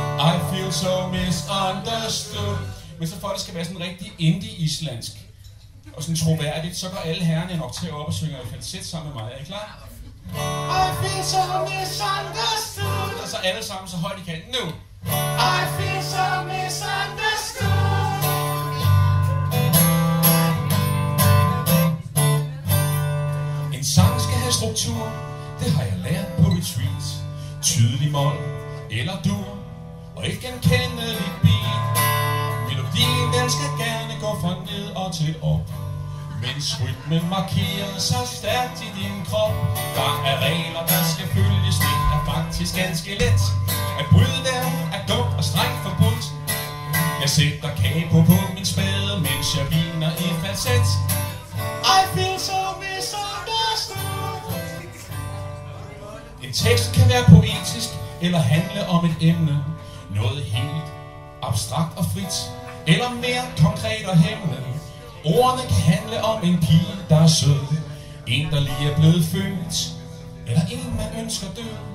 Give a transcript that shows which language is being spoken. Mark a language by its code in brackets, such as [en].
[en] I feel so misunderstood. [da] Men så for det skal være sådan rigtig indie-islandsk og sådan troværdigt, så går alle herrerne en oktav op og synger i falset sammen med mig. Er I klar? [en] I feel so misunderstood. [da] Og så alle sammen så højt I kan. Nu! [en] I feel so misunderstood. [da] En sang skal have struktur, det har jeg lært på retreat. Tydelig mål eller dur, og ikke en kendelig beat. Melodien den skal gerne gå fra ned og til op, mens rytmen markerer sig stærkt i din krop. Der er regler, der skal følges, det er faktisk ganske let. At bryde der er dumt og strengt forbudt. Jeg sætter kage på min spade, mens jeg viner i falset. [en] I feel so misunderstood. [da] En tekst kan være poetisk eller handle om et emne, noget helt abstrakt og frit, eller mere konkret og hemmeligt. Ordene kan handle om en pige, der er sød, en der lige er blevet født, eller en man ønsker dø.